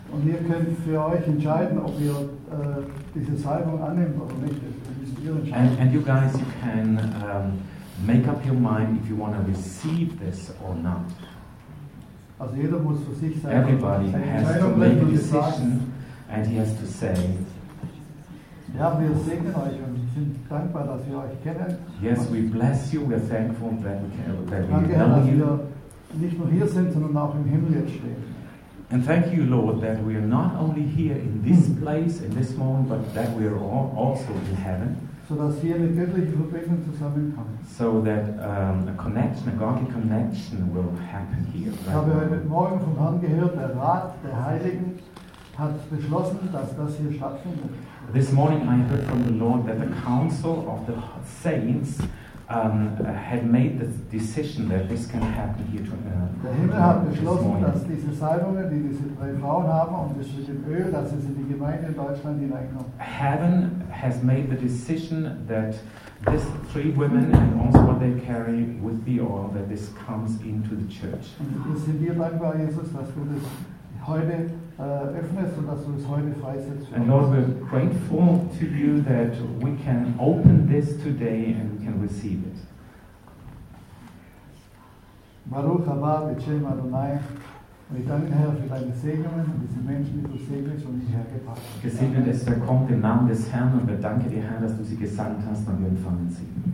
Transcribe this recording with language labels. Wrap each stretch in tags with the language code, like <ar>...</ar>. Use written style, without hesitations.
<de>Und ihr könnt für euch entscheiden, ob ihr diese Salbung annehmt oder nicht.</de> <en>And you guys, you can make up your mind if you want to receive this or not.</en> <de>Also jeder muss für sich sein.</de> <en>Everybody has to make a decision. And he has to say,</en> <de>ja, wir segnen euch und sind dankbar, dass wir euch kennen.</de> <en>Yes, we bless you. We are thankful that we know you.</en> <de>Danke, Herr, dass wir nicht nur hier sind, sondern auch im Himmel jetzt stehen.</de> <en>And thank you, Lord, that we are not only here in this place, in this moment, but that we are all also in heaven.</en> <de>So dass hier eine göttliche Verbindung zusammenkommt.</de> <en>So that a connection, a godly connection will happen here.</en> <de>Ich habe heute Morgen vom Herrn gehört, der Rat der Heiligen hat beschlossen, dass das hier stattfindet.</de> <en>This morning I heard from the Lord that the council of the saints had made the decision that this can happen here to,</en> <de>der Himmel hat beschlossen, dass diese Salbungen, die diese drei Frauen haben, und das mit dem Öl, dass es in die Gemeinde in Deutschland hineinkommt.</de> <en>Heaven has made the decision that these three women and also what they carry with the oil, that this comes into the church.</en> <de>Und wir sind dir dankbar, Jesus, dass du das heute öffnest und dass du es heute freisetzt.</de> <en>And Lord, we're grateful to you that we can open this today and we can receive it.</en> <he>Baruch haba b'shem Adonai.</he> <de>Wir danken, Herr, für deine Segnungen und diese Menschen, die du segnest und hierher gebracht hast. Gesegnet ist, der kommt im Namen des Herrn, und wir danken dir, Herr, dass du sie gesandt hast und wir empfangen sie.</de>